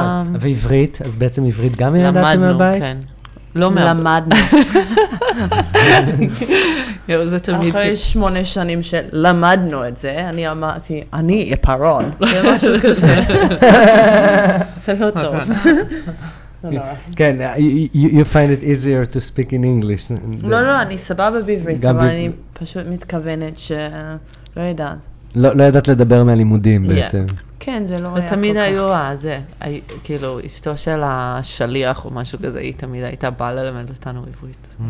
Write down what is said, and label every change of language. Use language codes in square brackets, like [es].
[he] ועברית? אז בעצם עברית גם ילדתם מהבית? למדנו, כן. למדנו. זה תמיד. אחרי 8 שנים שלמדנו את זה, אני אמרתי, אני יפרון. זה משהו כזה. זה לא טוב. כן, [en] you find it easier to speak in English. [he] לא, לא, אני סבבה בעברית, אבל אני פשוט מתכוונת ש... לא יודעת. לא ידעת לדבר מהלימודים בעצם. כן, זה לא היה. ותמיד היו, זה, כאילו, אשתו של השליח או משהו כזה, היא תמיד הייתה באה ללמד אותנו עברית.